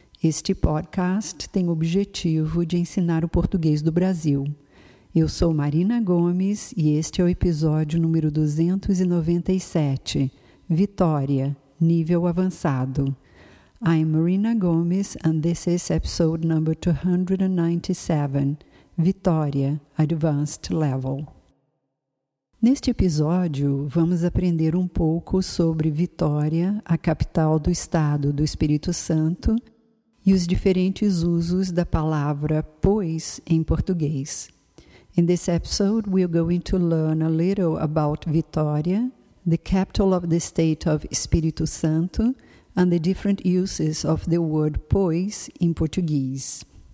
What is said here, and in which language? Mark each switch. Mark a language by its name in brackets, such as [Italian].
[Portuguese] Este podcast tem o objetivo de ensinar o português do Brasil. Eu sou Marina Gomes e este é o episódio número 297, Vitória, nível avançado. [English] I'm Marina Gomes and this is episode number 297, Vitória, Advanced Level. [Portuguese] Neste episódio, vamos aprender um pouco sobre Vitória, a capital do estado do Espírito Santo, e os diferentes usos da palavra pois em português. [English] In this episode, we're going to learn a little about Vitória, the capital of the state of Espírito Santo, and the different uses of the word pois in Portuguese.